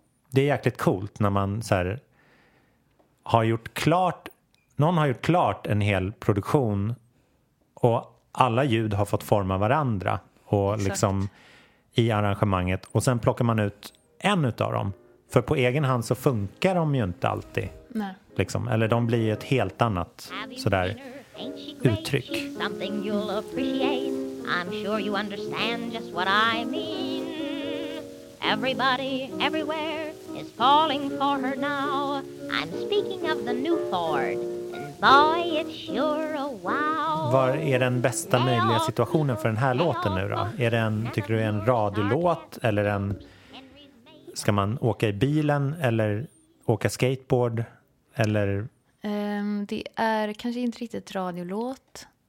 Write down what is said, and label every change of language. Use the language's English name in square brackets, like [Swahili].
[Swedish] Det är jäkligt coolt när man så här har gjort klart, någon har gjort klart en hel produktion och alla ljud har fått forma varandra och liksom i arrangemanget, och sen plockar man ut en utav dem, för på egen hand så funkar de ju inte alltid. Nej. Liksom, eller de blir ett helt annat sådär uttryck. [English] Something you'll appreciate. I'm sure you understand just what I mean. Everybody everywhere is falling for her now. I'm speaking of the new Ford. Boy, it's sure a wow. [Swedish] Var är den bästa möjliga situationen för den här låten nu då? Är det en, tycker du, är en radiolåt, eller en, ska man åka i bilen eller åka skateboard eller? Det är kanske inte riktigt radiolåt.